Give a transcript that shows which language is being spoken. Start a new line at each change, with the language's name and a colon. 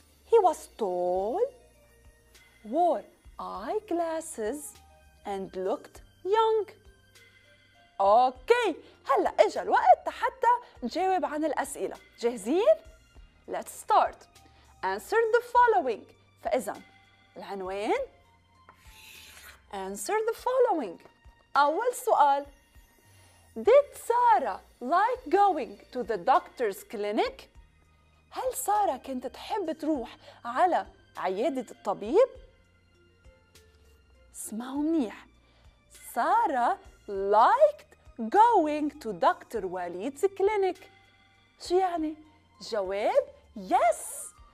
English: He was tall, wore eyeglasses, and looked young. Okay,
Arabic: هلأ إجا الوقت حتى نجاوب عن الأسئلة. جاهزين؟
English: Let's start. Answer the following.
Arabic: فإذا العنوان.
English: Answer the following.
Arabic: أول سؤال.
English: Did Sarah like going to the doctor's clinic?
Arabic: هل سارة كانت تحب تروح على عيادة الطبيب؟ اسمعوا منيح.
English: Sarah liked going to Dr. Waleed's clinic.
Arabic: شو يعني؟ جواب
English: yes.